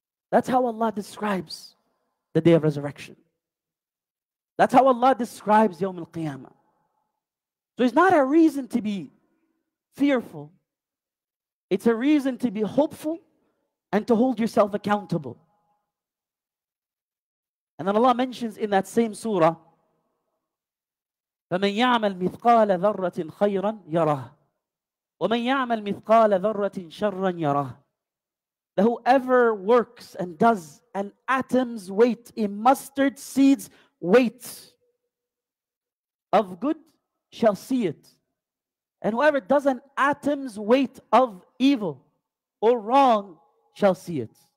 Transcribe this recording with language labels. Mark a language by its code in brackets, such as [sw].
[en] That's how Allah describes the day of resurrection. That's how Allah describes Yawm al-Qiyamah. So it's not a reason to be fearful. It's a reason to be hopeful and to hold yourself accountable. And then Allah mentions in that same surah, [ar] فَمَنْ يَعْمَلْ مِثْقَالَ ذَرَّةٍ خَيْرًا يَرَهُ وَمَنْ يَعْمَلْ مِثْقَالَ ذَرَّةٍ شَرًّا يَرَهُ. [en] That whoever works and does an atom's weight, a mustard seed's weight of good shall see it. And whoever does an atom's weight of evil or wrong shall see it.